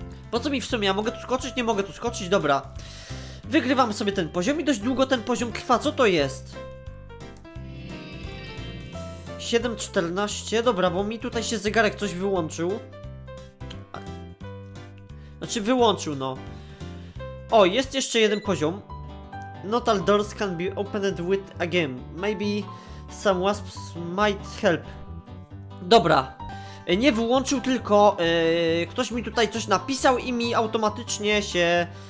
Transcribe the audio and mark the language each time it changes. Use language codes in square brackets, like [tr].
[pl] Po co mi w sumie, ja mogę tu skoczyć? Nie mogę tu skoczyć, dobra. Wygrywamy sobie ten poziom i dość długo ten poziom trwa, co to jest? 7.14, dobra, bo mi tutaj się zegarek coś wyłączył. Znaczy wyłączył, no. O, jest jeszcze jeden poziom. [en] Not all doors can be opened with a game. Maybe some wasps might help. [pl] Dobra. Nie wyłączył, tylko ktoś mi tutaj coś napisał i mi automatycznie się...